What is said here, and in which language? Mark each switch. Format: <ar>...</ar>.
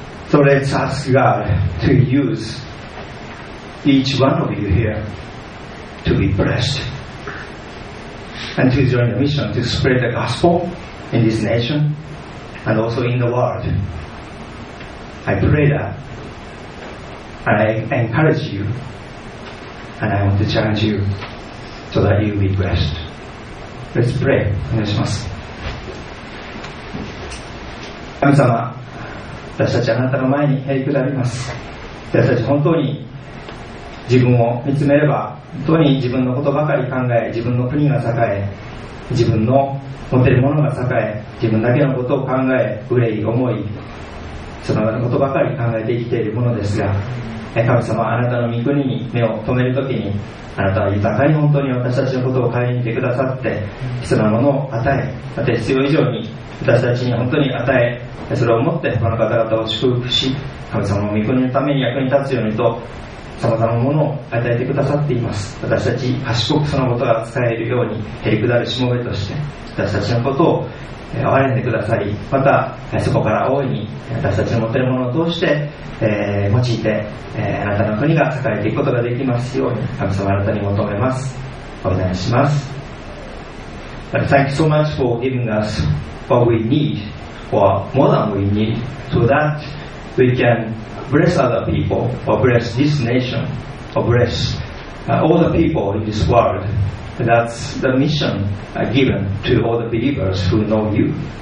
<en>So let's ask God to use each one of you here to be blessed and to join the mission to spread the gospel in this nation and also in the world. I pray that, and I encourage you, and I want to challenge you so that you be blessed. Let's pray.</en> <ja>お願いします。神様、私たちあなたの前に減り下ります。私たち本当に自分を見つめれば、本当に自分のことばかり考え、自分の国が栄え、自分の持てるものが栄え、自分だけのことを考え、憂い思い、そのようなことばかり考えて生きているものですが、神様、あなたの御国に目を留めるときに、あなたは豊かに本当に私たちのことを変えてくださって、必要なものを与え、また必要以上に私たちに本当に与え、それをもって他の方々を祝福し、神様の御国のために役に立つようにと、さまざまなものを与えてくださっています。私たち賢くそのことが使えるように、へりくだるしもべとして私たちのことを憐れんでください。またそこから大いに私たちの持っているものを通して、用いて、あなたの国が栄えていくことができますように、神様、あなたに求めます。お願いします。</ja> <en>But thank you so much for giving us what we need, or more than we need, so that we can bless other people, or bless this nation, or bless all the people in this world. That's the mission given to all the believers who know you.</en>